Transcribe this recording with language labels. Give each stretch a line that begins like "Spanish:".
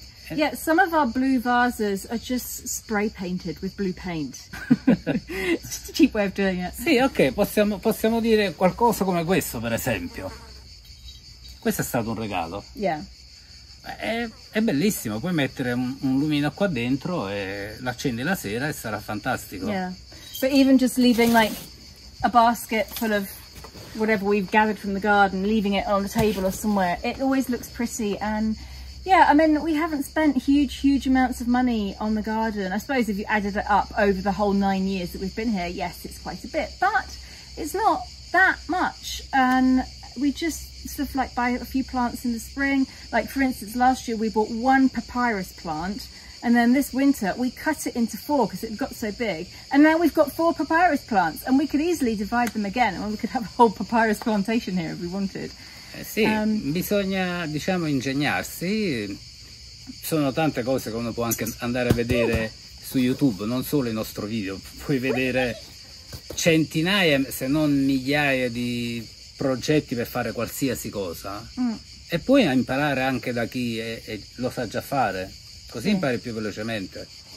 English: Yeah, some of our blue vases are just spray painted with blue paint. It's just a cheap way of doing it.
Italian: Sì, ok, possiamo dire qualcosa come questo, per esempio. Questo è stato un regalo.
English: Yeah.
Italian: È bellissimo, puoi mettere un lumino qua dentro e l'accendi la sera e sarà fantastico.
English: Yeah, but even just leaving like a basket full of whatever we've gathered from the garden, leaving it on the table or somewhere, it always looks pretty. And yeah, I mean, we haven't spent huge amounts of money on the garden. I suppose if you added it up over the whole 9 years that we've been here, yes, it's quite a bit, but it's not that much. And we just sort of like buy a few plants in the spring. Like for instance, last year we bought one papyrus plant, and then this winter we cut it into four because it got so big. And now we've got four papyrus plants and we could easily divide them again and we could have a whole papyrus plantation here if we wanted.
Italian: Sì, bisogna diciamo ingegnarsi, sono tante cose che uno può anche andare a vedere su YouTube, non solo il nostro video, puoi vedere centinaia se non migliaia di progetti per fare qualsiasi cosa e puoi imparare anche da chi è, lo sa già fare, così impari più velocemente.